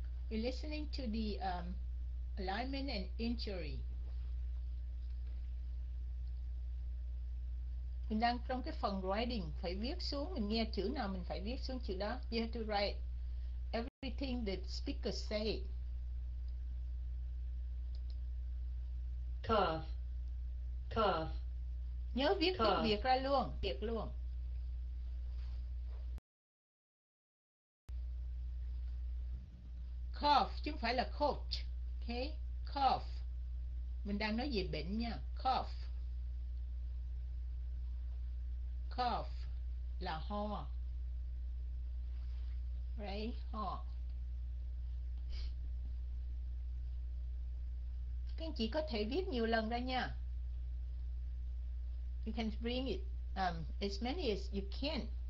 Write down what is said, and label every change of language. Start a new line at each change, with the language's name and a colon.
English: Listening to the alignment and injury.
Vietnamese: Mình đang trong cái phần writing, phải viết xuống, mình nghe chữ nào mình phải viết xuống chữ đó.
English: You have to write everything the speaker say. Cough, cough,
Vietnamese: nhớ viết tiếng
English: cough.
Vietnamese: Việt ra luôn, Việt luôn. Cough chứ không phải là coach. Okay, cough. Mình đang nói về bệnh nha. Cough. Cough là ho.
English: Right, ho.
Vietnamese: Các anh chị có thể viết nhiều lần ra nha.
English: You can bring it as many as you can.